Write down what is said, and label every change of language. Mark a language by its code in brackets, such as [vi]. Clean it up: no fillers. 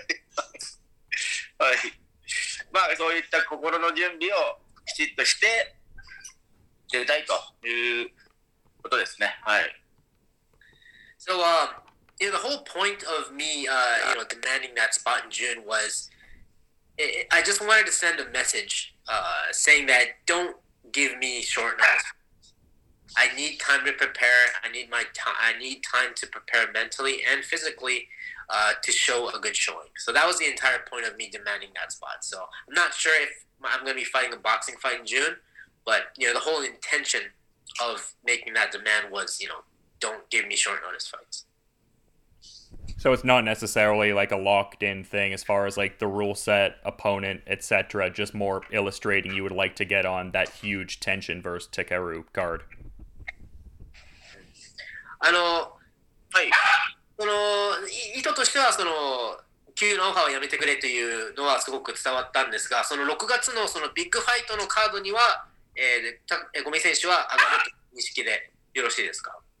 [ja] 今回は半年以上準備期間があるということで、そのボクシングの部分は6月に見せられそうですか。そうですね、ボクシングマッチと限ったわけではないんですが、要はですね、もう急なオファーはやめてくれっていうことを言ってるんです。まあそういった心の準備をきちっとして出たいということですね。はい。 [en] So, you know, the whole point of me, you know, demanding that spot in June was, I just wanted to send a message, saying that don't give me short notice. I need time to prepare. I need time to prepare mentally and physically. To show a good showing. So that was the entire point of me demanding that spot. So I'm not sure if I'm going to be fighting a boxing fight in June, but, you know, the whole intention of making that demand was, you know, don't give me short notice fights. So it's not necessarily like a locked in thing as far as like the rule set, opponent, etc. Just more illustrating you would like to get on that huge tension versus Takeru card. Hey. [ja] その意図としてはその急なオファーをやめてくれというのはすごく伝わったんですが、その6月 の, そのビッグファイトのカードには、ゴミ選手は上がるという認識でよろしいですか？